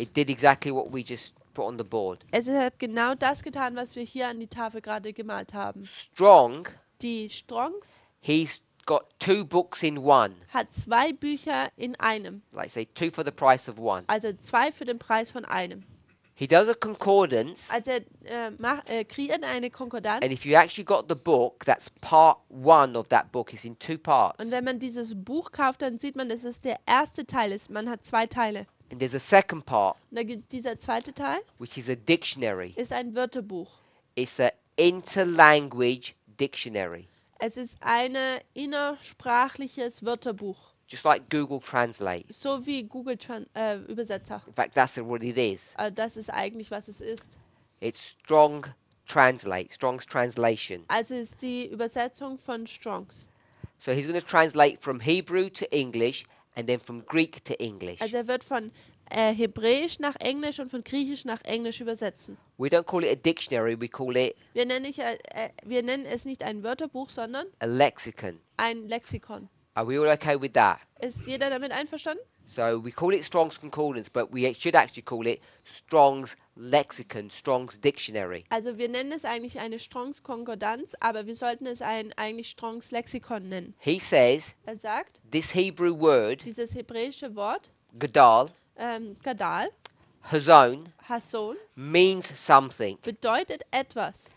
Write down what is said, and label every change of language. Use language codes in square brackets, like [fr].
[en] It did exactly what we just put on the board. [de] Es hat genau das getan, was wir hier an die Tafel gerade gemalt haben. [en] Strong. [de] Die Strong's. [en] He's got two books in one. [de] Hat zwei Bücher in einem. [en] Like say two for the price of one. [de] Also zwei für den Preis von einem. [en] He does a concordance. [de] Also kreiert eine Konkordanz. [en] And if you actually got the book, that's part one of that book. It's in two parts. [de] Und wenn man dieses Buch kauft, dann sieht man, dass es der erste Teil ist. Man hat zwei Teile. [en] And there's a second part. [de] Und da gibt dieser zweite Teil. [en] Which is a dictionary. [de] Ist ein Wörterbuch. [en] It's an interlanguage dictionary. [de] Es ist ein innersprachliches Wörterbuch. [en] Just like Google Translate. [de] So wie Google Übersetzer. [en] In fact, that's what it is. [de] Das ist eigentlich, was es ist. [en] It's Strong Translate, Strong's Translation. [de] Also ist die Übersetzung von Strong's. [en] So he's going to translate from Hebrew to English and then from Greek to English. [de] Also wird von Hebräisch nach Englisch und von Griechisch nach Englisch übersetzen. [en] We don't call it a dictionary, we call it... [de] Wir nennen es nicht ein Wörterbuch, sondern... [en] A lexicon. [de] Ein Lexikon. [en] Are we all okay with that? [de] Ist jeder damit einverstanden? [en] So we call it Strong's Concordance, but we should actually call it Strong's Lexicon, Strong's Dictionary. [de] Also wir nennen es eigentlich eine Strong's Konkordanz, aber wir sollten es eigentlich Strong's Lexikon nennen. [en] He says, [de] er sagt, [en] this Hebrew word, [de] dieses hebräische Wort, [en] Gadal, [de] Gadal, [en] Hazon, [de] Hason, [en] means something. [de] Bedeutet etwas.